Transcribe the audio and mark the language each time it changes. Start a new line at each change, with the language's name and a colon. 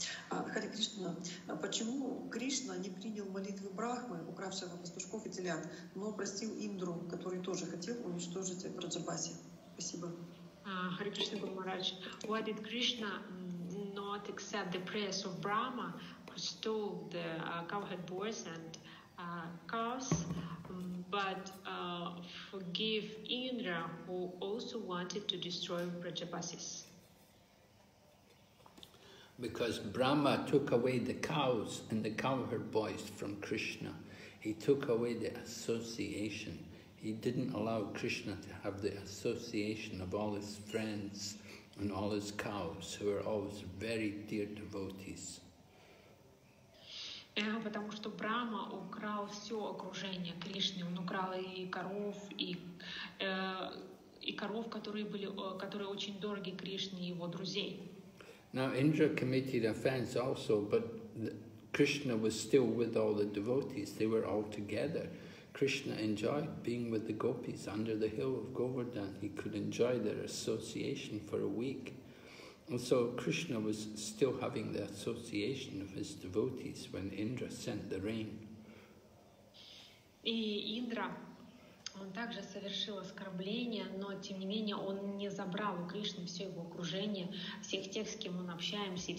Russian: Харе Кришна, почему Кришна не принял молитвы Брахмы, укравшего пастушков и телят, но простил Индру, который тоже хотел уничтожить Раджабаси? Спасибо.
English: Харе Кришна Гуру Махарадж, why did Krishna not accept the prayers of Brahma, who stole the cowherd boys and cows, but forgive Indra, who also wanted to destroy Raja-basis? Because Brahma took away the cows and the cowherd boys from Krishna. He took away the association. He didn't allow Krishna to have the association of all his friends and all his cows, who are always very dear devotees.
Russian: Потому что Брама украл все, окружения Кришны. Он украл и коров, и коров, которые были, которые очень дороги Кришне и его друзей.
English: Now Indra committed offense also, but Krishna was still with all the devotees. They were all together. Krishna enjoyed being with the gopis under the hill of Govardhan. He could enjoy their association for a week. And so Krishna was still having the association of his devotees when Indra sent the rain.
Russian: И Индра, он также совершил оскорбление, но тем не менее он не забрал у Кришны все его окружение, всех тех, с кем мы общаемся.